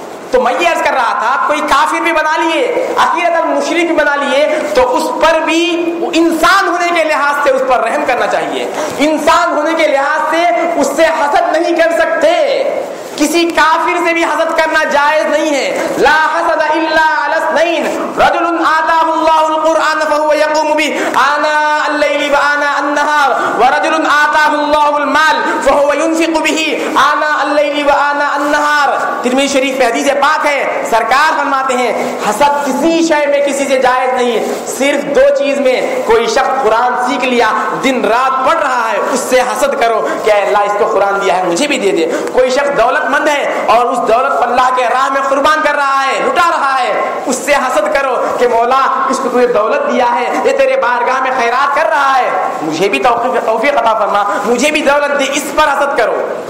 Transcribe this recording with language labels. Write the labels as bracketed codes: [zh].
[ur] تو میں یہ عرض کر رہا تھا, کوئی کافر بھی بنا لیے, عقیدت المشرک بھی بنا لیے, تو اس پر بھی انسان ہونے کے لحاظ سے اس پر رحم کرنا چاہیے. انسان ہونے کے لحاظ سے اس سے حسد نہیں کر سکتے, کسی کافر سے بھی حسد کرنا جائز نہیں ہے. [ar] لا حسد الا على اثنين, رجل آتاه الله القرآن فهو يقوم به آناء الليل وآناء النهار, ورجل آتاه الله المال فهو ينفق به آناء الليل وآناء النهار. [ur] ترمذی شریف میں حدیث پاک ہے, سرکار فرماتے ہیں حسد کسی شے میں کسی سے جائز نہیں ہے, صرف دو چیز میں. کوئی شخص قرآن سیکھ لیا, دن رات پڑھ رہا ہے, اس سے حسد کرو کہ اے اللہ اس کو قرآن دیا ہے مجھے بھی دے دے. کوئی شخص دولت مند ہے اور اس دولت کو اللہ کے راہ میں قربان کر رہا ہے, لٹا رہا ہے, اس سے حسد کرو کہ مولا اس کو تجھے دولت دیا ہے, یہ تیرے بارگاہ میں خیرات کر رہا ہے, مجھے بھی توفیق عطا فرما, مجھے بھی دولت دی, اس پر حسد کرو.